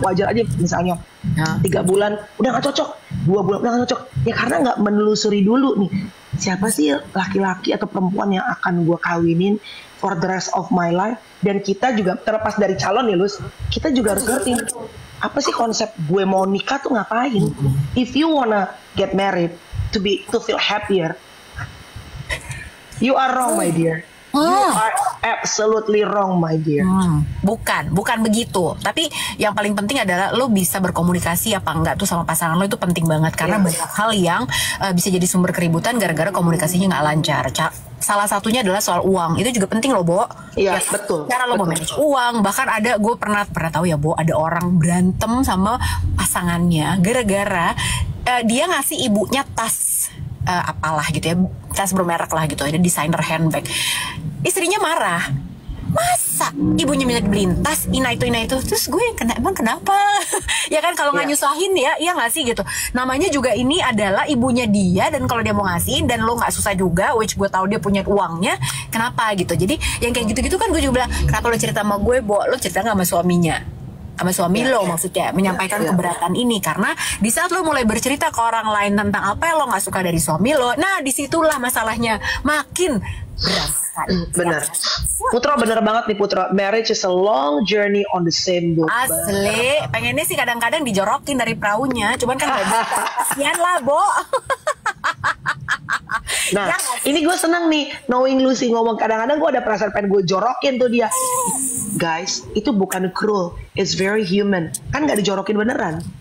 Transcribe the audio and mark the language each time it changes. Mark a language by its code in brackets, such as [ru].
[id] Wajar aja misalnya 3 bulan udah gak cocok, 2 bulan udah gak cocok, ya karena gak menelusuri dulu nih siapa sih laki-laki atau perempuan yang akan gue kawinin [en] for the rest of my life. [id] Dan kita juga terlepas dari calon ya Luz, kita juga harus ngerti apa sih konsep gue mau nikah tuh ngapain. [en] If you wanna get married to feel happier, you are wrong my dear. You are absolutely wrong my dear. [id] Bukan begitu. Tapi yang paling penting adalah lo bisa berkomunikasi apa enggak tuh sama pasangan lo, itu penting banget. Karena banyak hal yang bisa jadi sumber keributan gara-gara komunikasinya gak lancar. Salah satunya adalah soal uang, itu juga penting loh, Bo. Iya, yes, betul. Cara lo mau manage uang, bahkan ada, gue pernah tahu ya, Bo, ada orang berantem sama pasangannya gara-gara dia ngasih ibunya tas apalah gitu ya, tas bermerek lah gitu, ada designer handbag. Istrinya marah, masa ibunya minta dibeliin tas ini itu, terus gue yang kena, emang kenapa? Ya kan kalau nggak nyusahin ya, iya nggak sih gitu. Namanya juga ini adalah ibunya dia, dan kalau dia mau ngasihin dan lo nggak susah juga, which gue tahu dia punya uangnya, kenapa gitu? Jadi yang kayak gitu-gitu kan gue juga bilang, kenapa lo cerita sama gue, Bo, lo cerita nggak sama suaminya? Sama suami lo maksudnya, menyampaikan keberatan ini. Karena di saat lo mulai bercerita ke orang lain tentang apa yang lo gak suka dari suami lo, nah disitulah masalahnya makin berasa. Bener, Putra, bener banget nih Putra. [en] Marriage is a long journey on the same boat. [id] Asli, pengennya sih kadang-kadang dijorokin dari perahunya, cuman kan gak bisa, kasihan lah Bo. Nah ya, ini gue seneng nih knowing Lucy ngomong, kadang-kadang gue ada perasaan pengen gue jorokin tuh dia. Guys, itu bukan cruel, [en] it's very human. [id] Kan gak dijorokin beneran.